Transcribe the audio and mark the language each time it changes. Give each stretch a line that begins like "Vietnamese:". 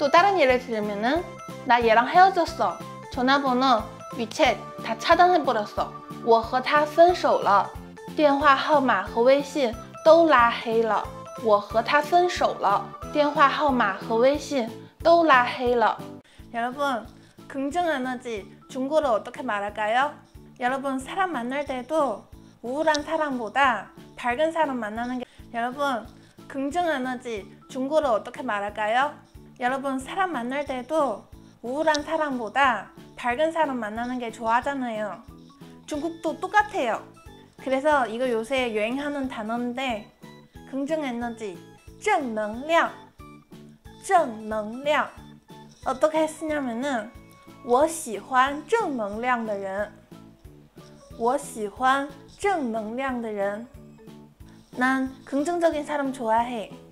Korean: 또 다른 예를 들면은 나 얘랑 헤어졌어. 전화번호, 위챗 다 차단해버렸어。
Chinese: 我和他分手了。电话号码和微信都拉黑了。我和他分手了。电话号码和微信都拉黑了。
Korean: 여러분, 긍정 에너지 중국어로 어떻게 말할까요? 여러분, 사람 만날 때도 우울한 사람보다 밝은 사람 만나는 게 여러분 긍정 에너지 중국어로 어떻게 말할까요? 여러분 사람 만날 때도 우울한 사람보다 밝은 사람 만나는 게 좋아하잖아요. 중국도 똑같아요. 그래서 이거 요새 유행하는 단어인데 긍정 에너지 정능량 정능량 어떻게 쓰냐면은
Chinese: 我喜欢正能量的人
Korean: 我喜欢 正能量的人 난 긍정적인 사람 좋아해